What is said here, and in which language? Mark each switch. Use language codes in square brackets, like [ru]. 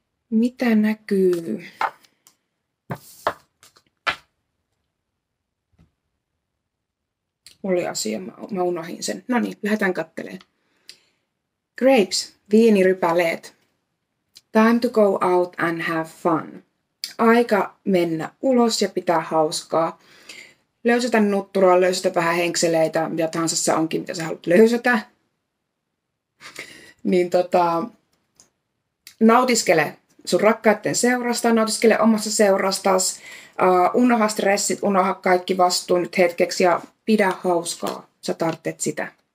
[fi] Mitä näkyy? Oli asia, mä unohdin sen. No niin, lähdetään katselemaan. Grapes, viinirypäleet. [en] Time to go out and have fun. [fi] Aika mennä ulos ja pitää hauskaa. Löysätä nutturaa, löysätä vähän henkseleitä, mitä tahansa se onkin, mitä sä haluat löysätä. Niin nautiskele sun rakkaiden seurasta, nautiskele omassa seurastas, unoha stressit, unoha kaikki vastuu nyt hetkeksi ja pidä hauskaa, sä tarvitset sitä.